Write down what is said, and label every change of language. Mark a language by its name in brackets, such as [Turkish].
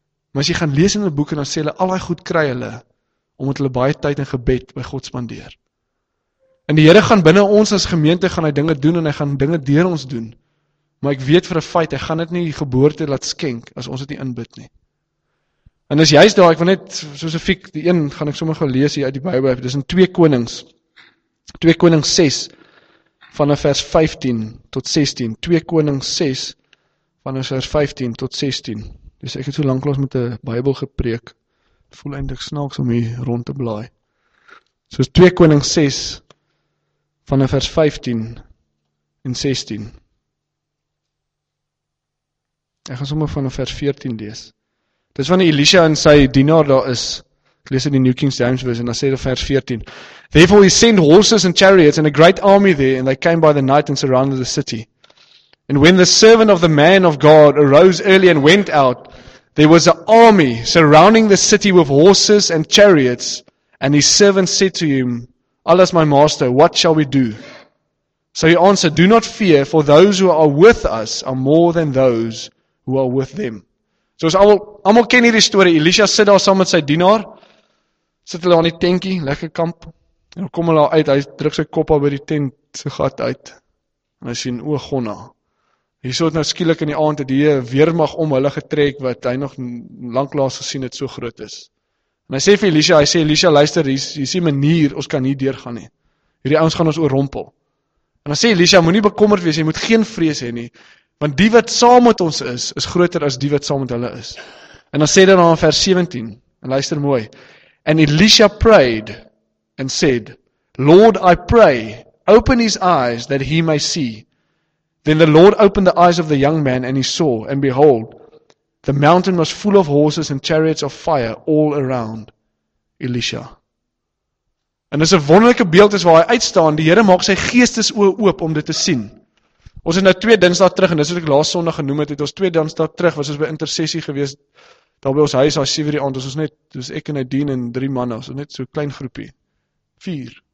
[Afrikaans] Maar as jy gaan lees in 'n boek en dan sê hulle al daai goed kry hulle omdat hulle baie tyd in gebed by God spandeer. En die Here gaan binne ons as gemeente gaan hy dinge doen en hy gaan dinge deur ons doen. Maar ek weet vir 'n feit, hy gaan dit nie die geboorte laat skenk as ons dit nie inbid nie. En is juist daar, ek wil net spesifiek die een gaan ek sommer gou lees hier uit die Bybel, dis in 2 Konings. 2 Konings 6 vanaf vers 15 tot 16. 2 Konings 6 vanaf vers 15 tot 16. Dis ek het so lank los met 'n Bybel gepreek. Voel eindig snaaks om hier rond te blaai. Soos 2 Konings 6 vanaf vers 15 en 16. Ek gaan sommer vanaf vers 14 lees. Dis wanneer Elisha en sy dienaar daar is. Ek lees in die New King James Version, dan sê dit vers 14. [English] Therefore he sent horses and chariots and a great army there, and they came by the night and surrounded the city. And when the servant of the man of God arose early and went out, there was an army surrounding the city with horses and chariots, and his servant said to him, Allah is my master, what shall we do? So he answered, Do not fear, for those who are with us are more than those who are with them. [Afrikaans] So ons almal ken hierdie story, Elisha sit daar saam met sy dienaar, sit hulle aan die tentjie, lekker kamp, en dan kom hulle uit, hy druk sy kop al by die tent sy gat uit, en hy sien, oog gonna, hier so het nou skielik in die aand, het die weermag om hulle getrek, wat hy nog lang laas gesien het, so groot is. En hy sê vir Elisha, luister, hier sien manier, ons kan nie deurgaan nie, hierdie ouens gaan ons oorrompel. En dan sê Elisha, moet nie bekommerd wees, jy moet geen vrees hê nie, want die wat saam met ons is, is groter as die wat saam met hulle is. En dan sê dit dan in vers 17, en luister mooi, [English] And Elisha prayed and said, Lord, I pray, open his eyes that he may see. Then the Lord opened the eyes of the young man, and he saw, and behold, the mountain was full of horses and chariots of fire all around Elisha. [Afrikaans] En dis 'n wonderlike beeld is waar hy uitstaan, die Here maak sy geestesoë oop om dit te sien. Ons het nou 2 Dinsdae terug, en dis wat ek laas Sondag genoem het, ons 2 Dinsdae terug, was ons by intersessie gewees, daar by ons huis, daar 7 die aand, ons was net, dus ek en Nadine en 3 manne, ons was net so klein groepie, 4.